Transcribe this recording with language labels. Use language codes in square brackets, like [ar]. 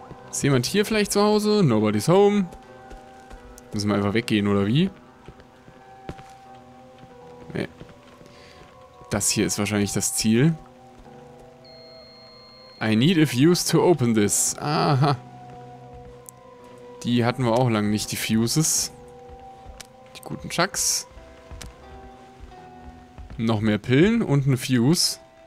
[de] Ist jemand hier vielleicht zu Hause? [en] Nobody's home. [de] Müssen wir einfach weggehen, oder wie? Nee. Das hier ist wahrscheinlich das Ziel. [en] I need a fuse to open this. Aha. [de] Die hatten wir auch lange nicht, die Fuses. Die guten Chucks. Noch mehr Pillen und eine Fuse.